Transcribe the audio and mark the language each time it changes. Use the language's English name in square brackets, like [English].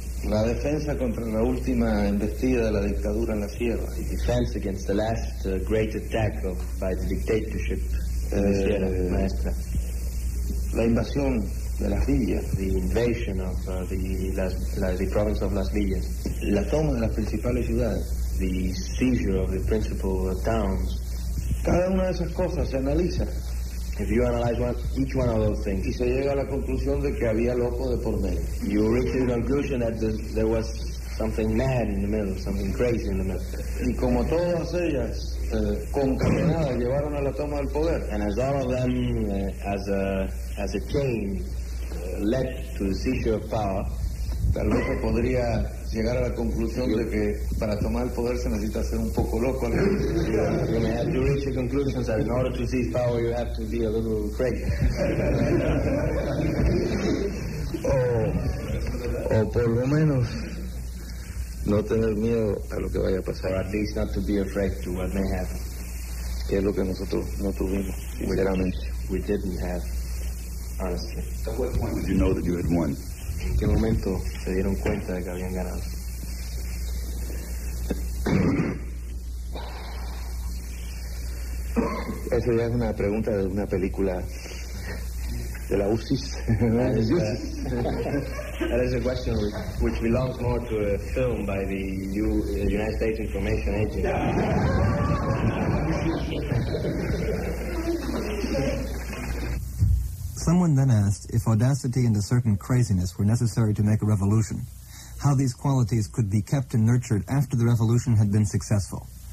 [Spanish] La defensa contra la última embestida de la dictadura en la sierra. [English] The defense against the last great attack by the dictatorship in the sierra, maestra. [Spanish] La invasión de las villas. [English] The invasion of the province of Las Villas. [Spanish] La toma de las principales ciudades. [English] The seizure of the principal towns. [Spanish] Cada una de esas cosas se analiza. [English] If you analyze each one of those things, [Spanish] y se llega a la conclusión de que había loco de por medio. [English] You reach the conclusion that there was something mad in the middle, something crazy in the middle. [Spanish] Y como todas ellas concatenadas llevaron a la toma del poder. [English] And as all of them, as a chain, led to the seizure of power, [Spanish] tal vez se podría llegar a la conclusión de que para tomar el poder se necesita ser un poco loco. [English] You may have to reach the conclusion that in order to seize power you have to be a little crazy. [Spanish] O por lo menos no tener miedo a lo que vaya a pasar. [English] Or at least not to be afraid to what may happen. [Spanish] Que es lo que nosotros no tuvimos, sinceramente. [English] We didn't have, honestly. At what point did you know that you had won? [Spanish] ¿En qué momento se dieron cuenta de que habían ganado? Eso ya es una pregunta de una película de la UCI. [English] That is a question which belongs more to a film by the United States Information Agency. Someone then asked if audacity and a certain craziness were necessary to make a revolution, how these qualities could be kept and nurtured after the revolution had been successful.